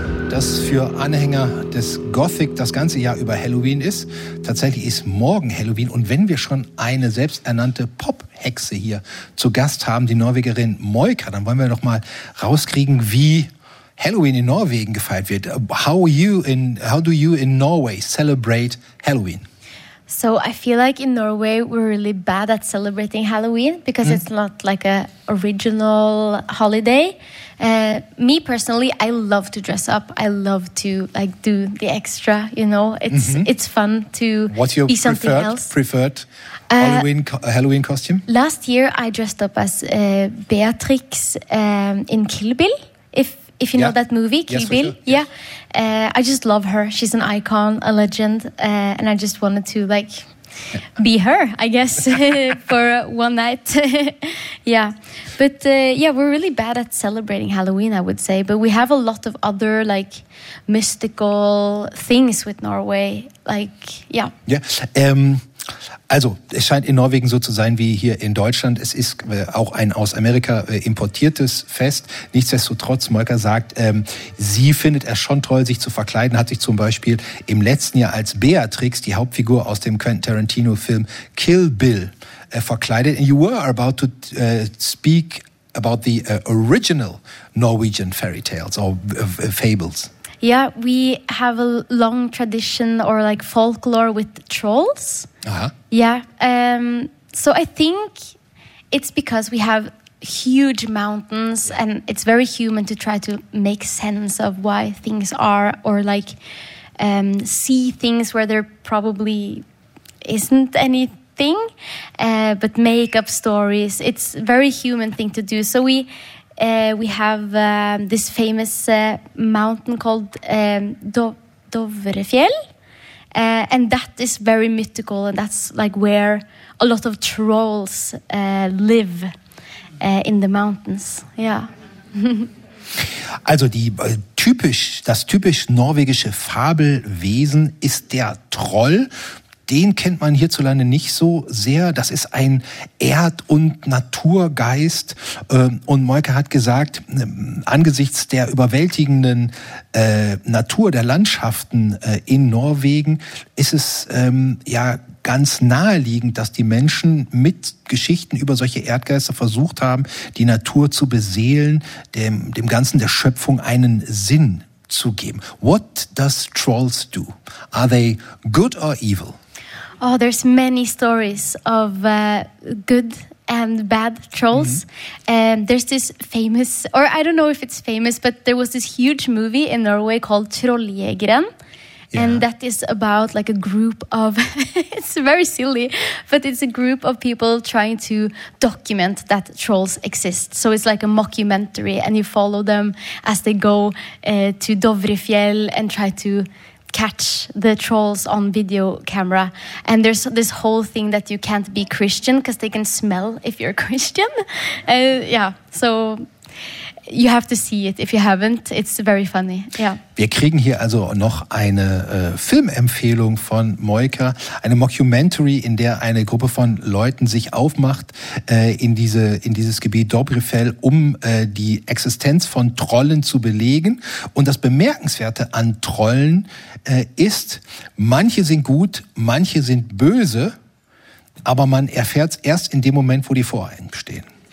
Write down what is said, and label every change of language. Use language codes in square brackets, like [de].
[de] Dass für Anhänger des Gothic das ganze Jahr über Halloween ist. Tatsächlich ist morgen Halloween. Und wenn wir schon eine selbsternannte Pop-Hexe hier zu Gast haben, die Norwegerin Moika, dann wollen wir doch mal rauskriegen, wie Halloween in Norwegen gefeiert wird. [en] How do you in Norway celebrate Halloween? So I feel like in Norway we're really bad at celebrating Halloween because it's not like a original holiday. Me personally, I love to dress up. I love to like do the extra, you know. It's fun to what's your be something preferred, else. Preferred Halloween costume? Last year I dressed up as Beatrix in Kill Bill. If you know that movie, Kill Bill. Sure. Yes. Yeah. I just love her. She's an icon, a legend. And I just wanted to like be her, I guess, for one night. Yeah. But we're really bad at celebrating Halloween, I would say. But we have a lot of other like mystical things with Norway. Like, yeah. Yeah. [de] Also, es scheint in Norwegen so zu sein wie hier in Deutschland. Es ist auch ein aus Amerika importiertes Fest. Nichtsdestotrotz, Molka sagt, sie findet es schon toll, sich zu verkleiden. Hat sich zum Beispiel im letzten Jahr als Beatrix, die Hauptfigur aus dem Quentin Tarantino-Film Kill Bill, verkleidet. [en] And you were about to speak about the original Norwegian fairy tales or fables. Yeah, we have a long tradition or like folklore with trolls. Uh-huh. Yeah. So I think it's because we have huge mountains and it's very human to try to make sense of why things are or like see things where there probably isn't anything, but make up stories. It's a very human thing to do. So we have this famous mountain called Dovrefjell. And that is very mythical, and that's like where a lot of trolls live in the mountains. Yeah. [de] Also die typisch norwegische Fabelwesen ist der Troll. Den kennt man hierzulande nicht so sehr. Das ist ein Erd- und Naturgeist. Und Molka hat gesagt, angesichts der überwältigenden Natur der Landschaften in Norwegen ist es ja ganz naheliegend, dass die Menschen mit Geschichten über solche Erdgeister versucht haben, die Natur zu beseelen, dem Ganzen der Schöpfung einen Sinn zu geben. [en] What does trolls do? Are they good or evil? Oh, there's many stories of good and bad trolls. Mm-hmm. There's this famous, or I don't know if it's famous, but there was this huge movie in Norway called Trolljägeren. Yeah. And that is about like a group of, it's very silly, but it's a group of people trying to document that trolls exist. So it's like a mockumentary and you follow them as they go to Dovrefjell and try to catch the trolls on video camera, and there's this whole thing that you can't be Christian because they can smell if you're Christian. Yeah, so you have to see it if you haven't. It's very funny. Yeah. [de] Wir kriegen hier also noch eine Filmempfehlung von Molka, eine Mockumentary, in der eine Gruppe von Leuten sich aufmacht in dieses Gebiet Dovrefjell, um die Existenz von Trollen zu belegen. Und das Bemerkenswerte an Trollen ist, manche sind gut, manche sind böse, aber man erfährt es erst in dem Moment, wo die vor einem stehen.